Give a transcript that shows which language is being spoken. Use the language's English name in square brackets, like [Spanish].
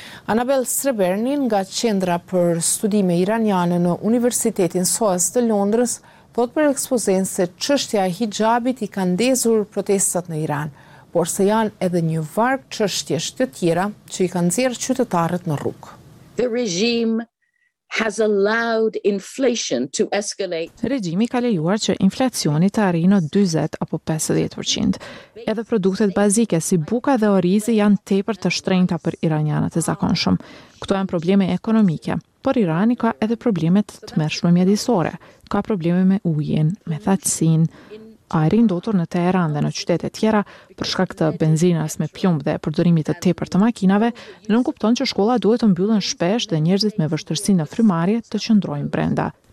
[Albanian] Anabel Srebernin nga Qendra për Studime Iraniane në Universitetin SOAS të Londrës thot për ekspozen se çështja e hijabit i ka ndezur protestat në Iran, por se janë edhe një varg çështje të tjera që i kanë nxjerrë qytetarët në rrugë. [English] The regime has allowed inflation to escalate. [Albanian] Regjimi ka lejuar që inflacioni të arrijë në 40 apo 50%. Edhe produktet bazike si buka dhe orizi janë tepër të shtrenjta për iranianët e zakonshëm. Këto janë probleme ekonomike, por Irani ka edhe probleme të tmerrshme mjedisore. Ka probleme me ujin, me thatësinë, ajri ndotur në Teheran dhe në qytete tjera për shkak të benzinës me plumb dhe përdorimit të tepër të makinave, nuk kupton që shkolla duhet të mbyllen shpesh dhe njerëzit me vështirësi në frymarrje të qëndrojnë brenda.